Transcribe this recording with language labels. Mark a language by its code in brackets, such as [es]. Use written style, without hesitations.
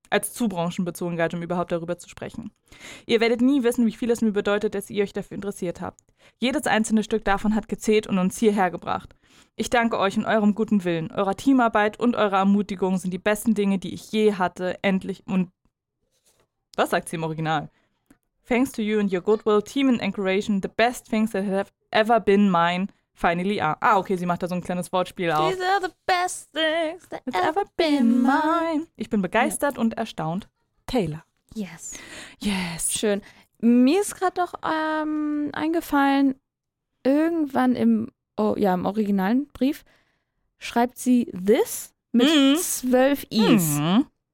[de] Als zu branchenbezogen galt, um überhaupt darüber zu sprechen. Ihr werdet nie wissen, wie viel es mir bedeutet, dass ihr euch dafür interessiert habt. Jedes einzelne Stück davon hat gezählt und uns hierher gebracht. Ich danke euch in eurem guten Willen. Eurer Teamarbeit und eurer Ermutigung sind die besten Dinge, die ich je hatte. Endlich und... Was sagt sie im Original? [en] Thanks to you and your goodwill, team and encouragement, the best things that have ever been mine. Finally are. [de] Ah, okay, sie macht da so ein kleines Wortspiel auf. [en] These are the best things that ever been mine. [de] Ich bin begeistert und erstaunt. Taylor. [en] Yes. Yes. [de] Schön. Mir ist gerade doch eingefallen, irgendwann im originalen Brief schreibt sie this mit 12 I's. Mhm.